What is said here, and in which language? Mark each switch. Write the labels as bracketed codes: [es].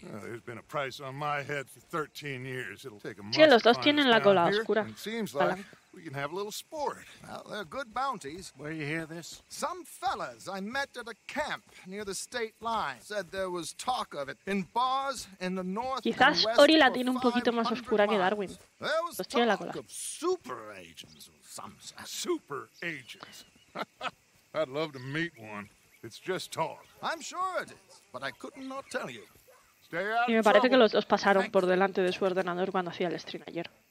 [en] Well, there's been a price on my head for 13 years. It'll take a month. [es] Sí, los dos tienen la cola oscura. [en] It seems like we can have a little sport. Well, they're good bounties. Where you hear this? Some fellas I met at a camp near the state line said there was talk of it in bars in the north. [es] Quizás Ori la tiene un poquito más oscura que Darwin. [en] There was talk of super agents or some such. Super agents. I'd love to meet one. It's just talk. I'm sure it is, but I could not tell you. Stay out of trouble. [es] Y me parece que los dos pasaron por delante de su ordenador cuando hacía el stream ayer.